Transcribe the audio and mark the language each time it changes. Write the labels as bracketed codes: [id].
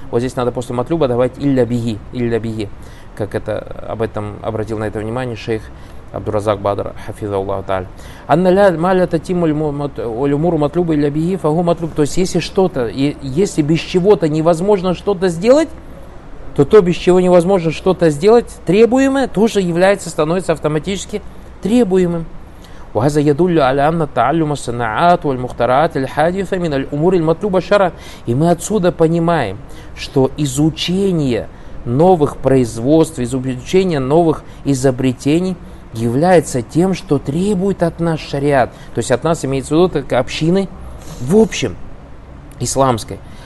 [ru] Вот здесь надо после матлюба давать [ar] илля биги, [ru] как это, об этом обратил на это внимание шейх Абдуразак Бадр, хафиза Аллаху Тааля. [ar] Анна ля маля татимуль умуру матлюба илля биги фагу матлюб. [ru] То есть если что-то, если без чего-то невозможно что-то сделать, то без чего невозможно что-то сделать, требуемое, тоже является, становится автоматически требуемым. [ar] وهذا يدل على أن تعلم الصناعات والمخترعات الحديثة من الأمور المطلوبة شرعا. [ru] И мы отсюда понимаем, что изучение новых производств, изучение новых изобретений является тем, что требует от нас шариат. То есть от нас имеется в виду как общины в общем исламской.